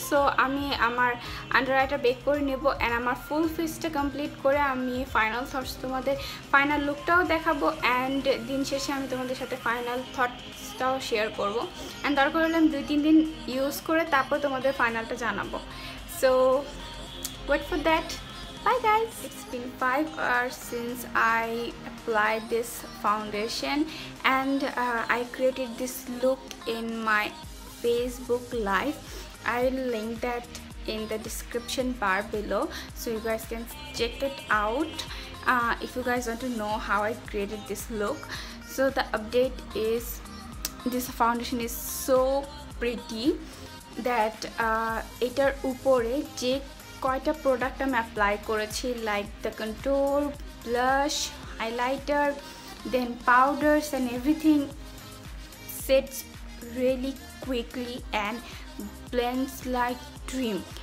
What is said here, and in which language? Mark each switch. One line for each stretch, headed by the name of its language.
Bangla: So আমি আমার under আইটা বেক করে নেবো অ্যান্ড আমার ফুল ফেসটা কমপ্লিট করে আমি ফাইনাল থটস তোমাদের ফাইনাল লুকটাও দেখাবো অ্যান্ড দিন শেষে আমি তোমাদের সাথে ফাইনাল থটসটাও শেয়ার করবো। অ্যান্ড দরকার হলে আমি দুই তিন দিন ইউজ করে তারপর তোমাদের ফাইনালটা জানাবো।
English: So wait for that. Hi guys, it's been 5 hours since I applied this foundation and I created this look in my Facebook live. I'll link that in the description bar below so you guys can check it out if you guys want to know how I created this look. So the update is, this foundation is so pretty that
Bangla: etar upore je কয়টা product আমি apply করেছি,
English: Like the control, blush, highlighter, then powders and everything sets really quickly and blends like dream.